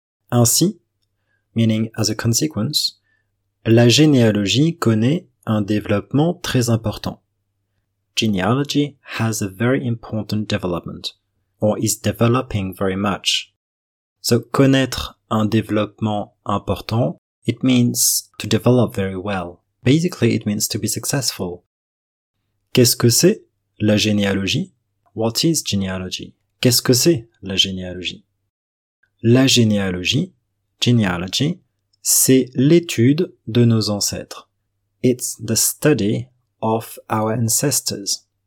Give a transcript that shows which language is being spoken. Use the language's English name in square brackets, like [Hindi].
[French] Ainsi, [English] meaning as a consequence, [French] la généalogie connaît un développement très important. [English] Genealogy has a very important development, or is developing very much. So, [French] connaître un développement important, [English] it means to develop very well. Basically, it means to be successful. [French] Qu'est-ce que c'est la généalogie? [English] What is genealogy? [French] Qu'est-ce que c'est la généalogie? La généalogie, genealogy, c'est l'étude de nos ancêtres. [English] It's the study of our ancestors.